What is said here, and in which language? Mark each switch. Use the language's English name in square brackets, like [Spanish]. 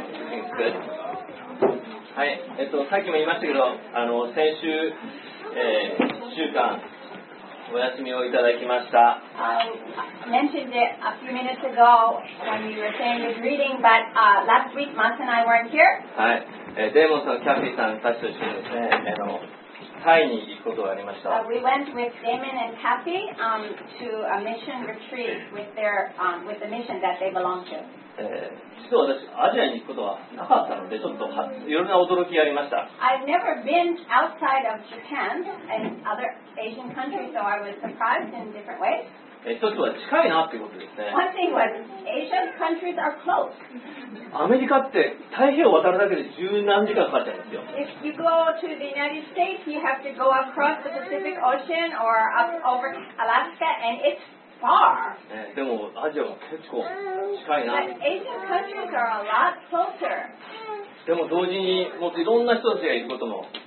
[Japanese] はい、さっきも言いましたけど、先週、週間お休みをいただきました。 [English] I mentioned it a few minutes ago when you were saying your greeting, but last week, Mark and I weren't here. [Japanese] はい、デーモンさん、キャフィーさん、私と一緒にですね、タイに行くことがありました。 [English] We went with Damon and Kathy to a mission retreat with their with the mission that they belong to. [Japanese] 実は私アジアに行くことはなかったのでちょっといろんな驚きがありました。 [English] I've never been outside of Japan and other Asian countries, so I was surprised in different ways. [Japanese] 一つは近いなってことですね。 [English] One thing was Asian countries are close. [Japanese] アメリカって太平洋渡るだけで十何時間かかっちゃうんですよ。 [English] If you go to the United States, you have to go across the Pacific Ocean or up over Alaska and it's far. [Japanese] でもアジアは結構近いな。 [English] But Asian countries are a lot closer. [Japanese] でも同時にもっといろんな人たちがいることも